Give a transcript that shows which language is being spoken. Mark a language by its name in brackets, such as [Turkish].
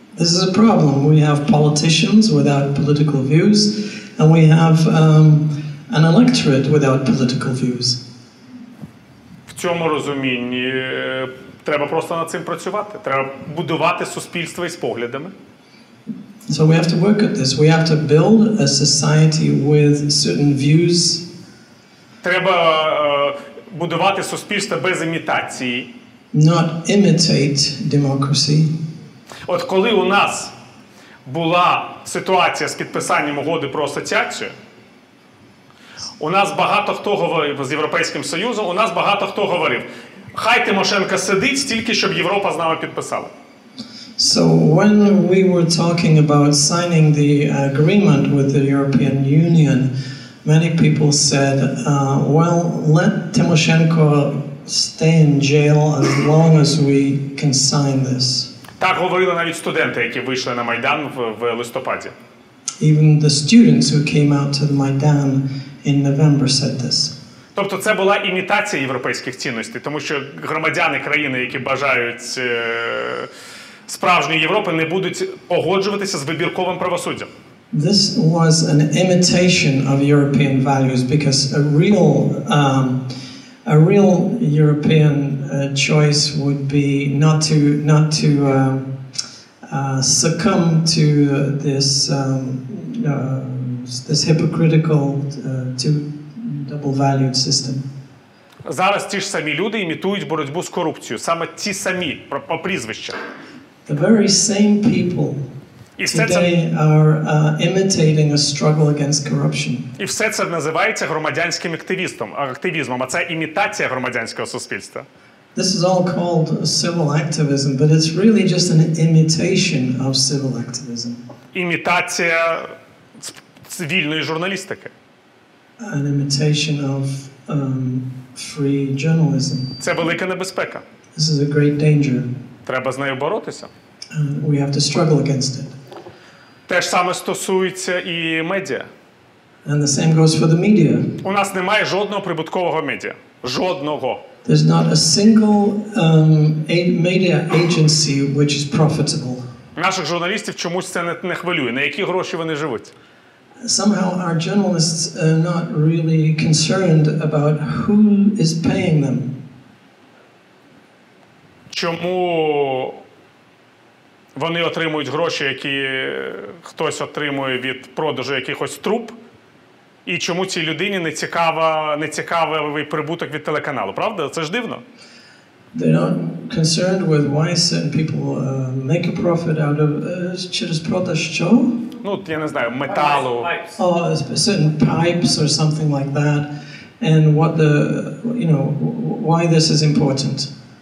[English] This is a problem. We have politicians without political views, and we have an electorate without political views. [Ukrainian] В цьому розумінні треба просто над цим працювати. Треба будувати суспільство із поглядами. [English] So we have to work at this. We have to build a society with certain views. [Ukrainian] Треба будувати суспільство без імітації. [English] Not imitate democracy. [Ukrainian] От коли у нас була ситуація з підписанням угоди про асоціацію, у нас багато хто говорив з Європейським Союзом, у нас багато хто говорив: хай Тимошенко сидить, тільки щоб Європа з нами підписала. [English] So when we were talking about signing the agreement with the European Union, many people said, well, let Тимошенко stay in jail as long as we can sign this. [Ukrainian] Так говорили навіть студенти, які вийшли на Майдан в листопаді. [English] Even the students who came out to the Maidan in November said this. [Ukrainian] Тобто це була імітація європейських цінностей, тому що громадяни країни, які бажають справжньої Європи, не будуть погоджуватися з вибірковим правосуддям. [English] This was an imitation of European values, because a real European choice would be not to succumb to this hypocritical double valued system. [Ukrainian] Зараз ті ж самі люди імітують боротьбу з корупцією, саме ті самі по прізвищах. [English] The very same people today are imitating a struggle against corruption. [Ukrainian] І все це називається громадянським активізмом, а це імітація громадянського суспільства. [English] This is all called civil activism, but it's really just an imitation of civil activism. [Ukrainian] Імітація цивільної журналістики. [English] An imitation of free journalism. [Ukrainian] Це велика небезпека. [English] This is a great danger. [Ukrainian] Треба з нею боротися. [English] We have to struggle against it. [Ukrainian] Те ж саме стосується і медіа. [English] And the same goes for the media. [Ukrainian] У нас немає жодного прибуткового медіа. Жодного. [English] There's not a single media agency which is profitable. [Ukrainian] Наших журналістів чомусь це не хвилює. На які гроші вони живуть? [English] Somehow our journalists are not really concerned about who is paying them. [Ukrainian] Чому вони отримують гроші, які хтось отримує від продажу якихось труб? І чому цій людині не цікавий прибуток від телеканалу? Правда? Це ж дивно. [English] They're not concerned with why certain people make a profit out of [Ukrainian] через продаж що? Ну, я не знаю, металу. [English] Certain pipes or something like that. And what the, you know, why this is important.